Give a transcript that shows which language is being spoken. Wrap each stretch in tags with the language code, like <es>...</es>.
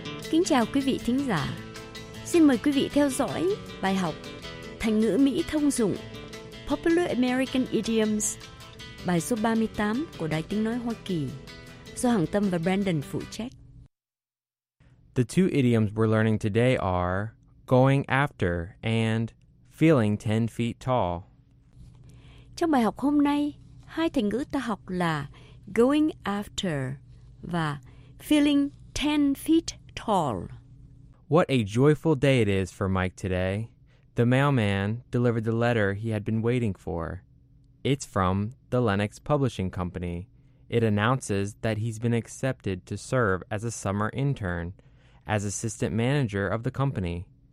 <vi>Kính chào quý vị thính giả. Xin mời quý vị theo dõi bài học Thành ngữ Mỹ thông dụng</vi> <en>Popular American Idioms,</en> <vi>bài số 38 của Đài Tiếng Nói Hoa Kỳ, do Hằng Tâm và Brandon phụ trách.</vi> <en>The two idioms we're learning today are going after and feeling 10 feet tall.</en> <vi>Trong bài học hôm nay, hai thành ngữ ta học là</vi> <en>going after</en> <vi>và</vi> <en>feeling 10 feet tall. What a joyful day it is for Mike today. The mailman delivered the letter he had been waiting for. It's from the Lennox Publishing Company. It announces that he's been accepted to serve as a summer intern, as assistant manager of the company.</en>